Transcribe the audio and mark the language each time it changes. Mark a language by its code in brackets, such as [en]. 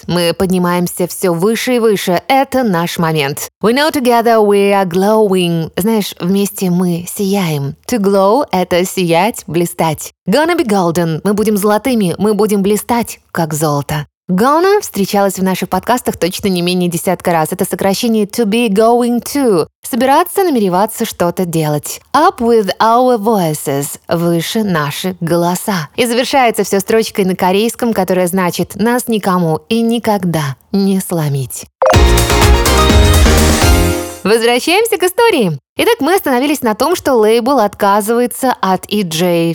[ru] Мы поднимаемся все выше и выше. Это наш момент. [en] We know together we are glowing. [ru] Знаешь, вместе мы сияем. To glow – это сиять, блистать. [en] Gonna be golden. [ru] Мы будем золотыми. Мы будем блистать, как золото. Gonna встречалась в наших подкастах точно не менее десятка раз. Это сокращение [en] to be going to. [ru] Собираться, намереваться что-то делать. [en] Up with our voices. [ru] Выше наши голоса. И завершается все строчкой на корейском, которая значит «нас никому и никогда не сломить». Возвращаемся к истории. Итак, мы остановились на том, что лейбл отказывается от EJ.